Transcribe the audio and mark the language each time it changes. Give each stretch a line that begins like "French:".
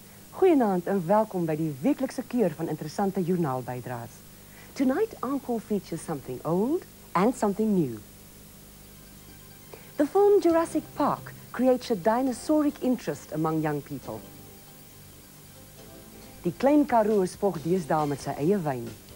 Afrikaans: Goedenavond en welkom bij die wekelijkse keur van interessante journaalbijdragen.
English: Tonight, Encore features something old and something new. The film Jurassic Park creates a dinosauric interest among young people.
Afrikaans: Die klein karoo spoort deesdae met sy eie wyn.